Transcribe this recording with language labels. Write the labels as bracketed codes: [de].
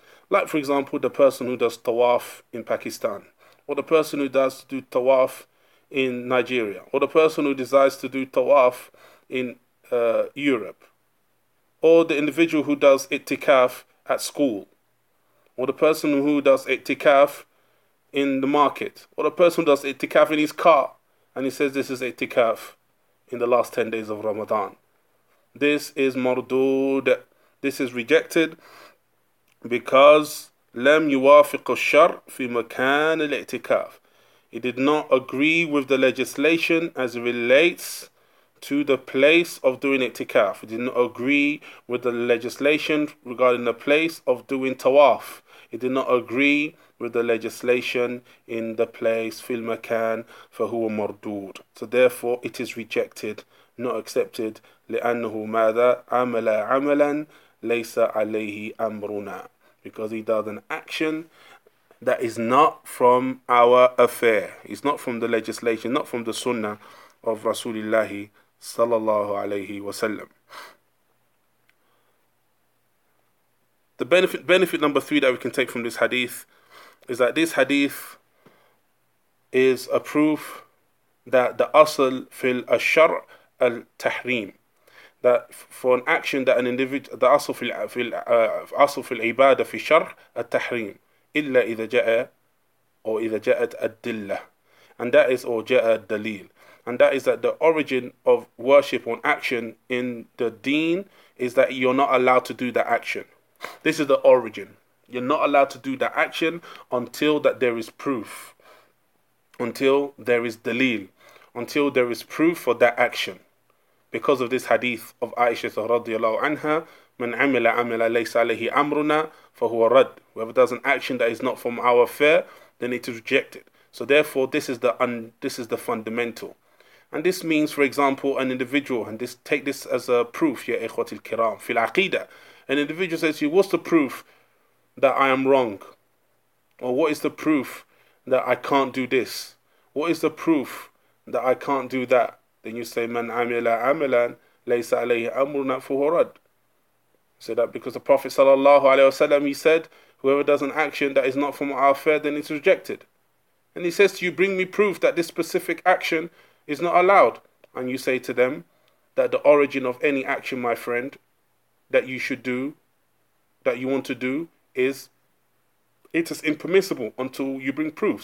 [en] Like, for example, the person who does tawaf in Pakistan, or the person who does do tawaf in Nigeria, or the person who desires to do tawaf in Europe, or the individual who does itikaf at school, or the person who does itikaf in the market, or the person who does itikaf in his car, and he says this is itikaf, in the last 10 days of Ramadan. This is mardood. This is rejected because [ar] لم يوافق الشر في مكان الاعتكاف. [en] It did not agree with the legislation as it relates to the place of doing itikaf. It did not agree with the legislation regarding the place of doing tawaf. It did not agree with the legislation in the place fil makan [ar] فهو مردود. [en] So therefore it is rejected, not accepted. [ar] لأنه ماذا عمل عملا ليس عليه أمرنا. [en] Because he does an action that is not from our affair. It's not from the legislation, not from the sunnah of Rasulullah sallallahu alayhi wa sallam. The benefit number three that we can take from this hadith is that this hadith is a proof that the [ar] asl fil ashar al tahrim. [en] That for an action that an individual, the [ar] asl fil ibadah fi shar al tahrim. Illa إذا جاء أو إذا جاءت الدلة. [en] And that is or [ar] جاء الدليل. [en] And that is that the origin of worship on action in the deen is that you're not allowed to do that action. This is the origin. You're not allowed to do that action until that there is proof. Until there is dalil. Until there is proof for that action. Because of this hadith of Aisha radiallahu anha, [ar] من عمل عمل ليس عليه أمرنا فهو رد. [en] Whoever does an action that is not from our affair, then it is rejected. So therefore, this is the fundamental. And this means, for example, an individual, and this take this as a proof, [ar] يا إخوتي الكرام, في العقيدة. [en] An individual says to you, what's the proof that I am wrong? Or what is the proof that I can't do this? What is the proof that I can't do that? Then you say, [ar] من عمل عملا ليس عليه أمرنا فهو رد. [en] Say that because the Prophet sallallahu alaihi wasallam, he said, whoever does an action that is not from our affair, then it's rejected. And he says to you, bring me proof that this specific action is not allowed. And you say to them that the origin of any action, my friend, that you should do, that you want to do, is it is impermissible until you bring proof.